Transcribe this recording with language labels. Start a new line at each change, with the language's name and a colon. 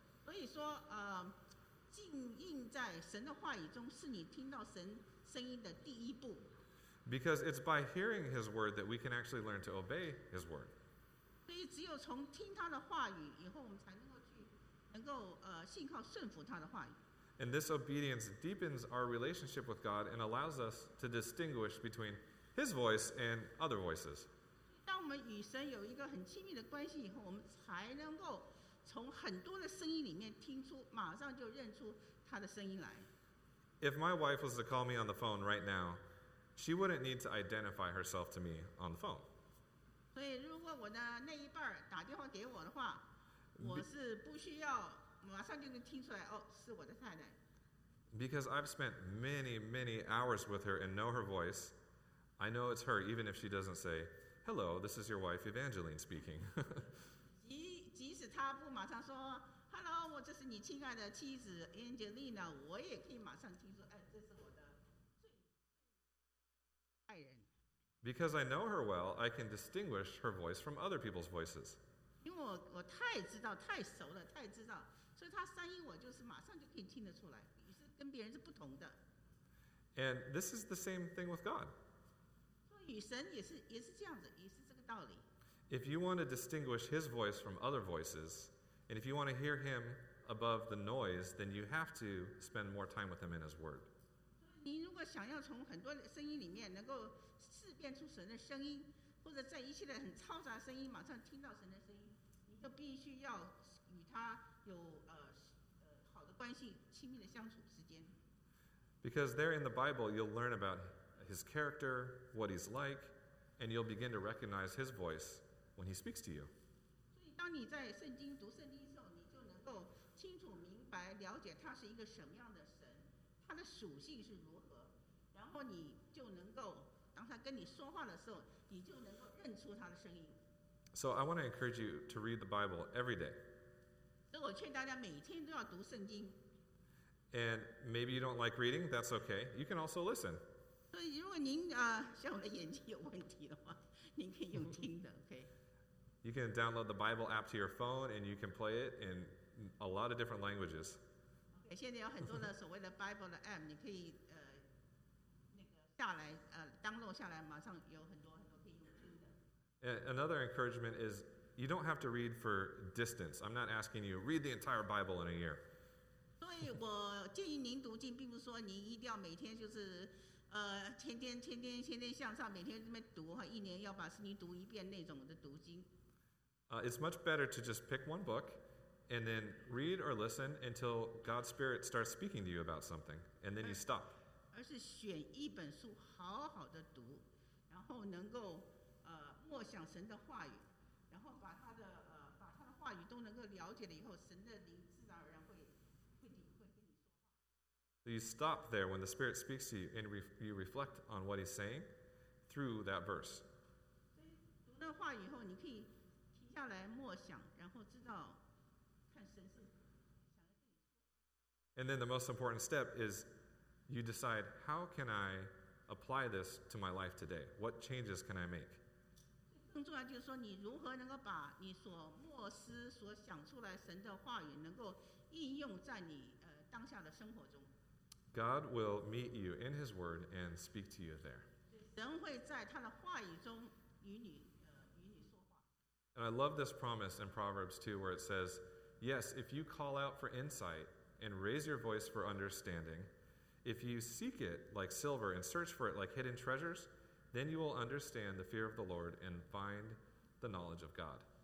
Chinese: 所以说，浸印在神的话语中是你听到神声音的第一步。
English: Because it's by hearing His word that we can actually learn to obey His word.
Chinese: 所以只有从听他的话语以后，我们才能够信靠顺服他的话语。
English: And this obedience deepens our relationship with God and allows us to distinguish between His voice and other voices.
Chinese: 我们与神有一个很亲密的关系以后，我们才能够从很多的声音里面听出，马上就认出他的声音来。
English: If my wife was to call me on the phone right now, she wouldn't need to identify herself to me on the phone.
Chinese: 所以，如果我的那一半打电话给我的话，我是不需要马上就能听出来，哦，是我的太太。
English: Because I've spent many, many hours with her and know her voice, I know it's her, even if she doesn't say. Hello, this is your wife Evangeline speaking.
Chinese: 即使他不马上说 Hello, 我这是你亲爱的妻子 Angelina, 我也可以马上听说，哎，这是我的最爱人。
English: Because I know her well, I can distinguish her voice from other people's voices.
Chinese: 因为我太知道，太熟了，太知道，所以她声音我就是马上就可以听得出来，是跟别人是不同的。
English: And this is the same thing with God.
Chinese: 与神也是这样子，也是这个道理。
English: If you want to distinguish His voice from other voices, and if you want to hear Him above the noise, then you have to spend more time with Him in His Word.
Chinese: 你如果想要从很多声音里面能够识辨出神的声音，或者在一切的很嘈杂声音马上听到神的声音，你就必须要与他有好的关系，亲密的相处时间。
English: Because there in the Bible, you'll learn about His character, what He's like, and you'll begin to recognize His voice when He speaks to you.
Chinese: 所以当你在圣经读圣经的时候，你就能够清楚明白了解他是一个什么样的神，他的属性是如何，然后你就能够当他跟你说话的时候，你就能够认出他的声音。
English: So I want to encourage you to read the Bible every day.
Chinese: 所以我劝大家每天都要读圣经。
English: And maybe you don't like reading, that's okay. You can also listen.
Chinese: 所以，如果您像我的眼睛有问题的话，您可以用听的 ，OK。
English: You can download the Bible app to your phone, and you can play it in a lot of different languages.
Chinese: 现在有很多的所谓的 Bible 的 App， 你可以下来download 下来，马上有很多可以用听的。
English: Another encouragement is you don't have to read for distance. I'm not asking you read the entire Bible in a year.
Chinese: 所以我建议您读经，并不是说您一定要每天就是天天向上，每天这么读哈，一年要把圣经读一遍那种的读经。
English: It's much better to just pick one book and then read or listen until God's Spirit starts speaking to you about something, and then you stop.
Chinese: 而是选一本书好好的读，然后能够默想神的话语，然后把他的话语都能够了解了以后，神的灵自然而然会跟你说话。
English: You stop there when the Spirit speaks to you, and you reflect on what He's saying through that verse.
Chinese: 读那话语以后，你可以停下来默想，然后知道。
English: And then the most important step is you decide, how can I apply this to my life today? What changes can I make?
Chinese: 更重要就是说你如何能够把你所默思所想出来神的话语能够应用在你当下的生活中。
English: God will meet you in His Word and speak to you there.
Chinese: 神会在他的话语中与你说话。
English: And I love this promise in Proverbs 2 where it says, yes, if you call out for insight and raise your voice for understanding, if you seek it like silver and search for it like hidden treasures, then you will understand the fear of the Lord and find the knowledge of God.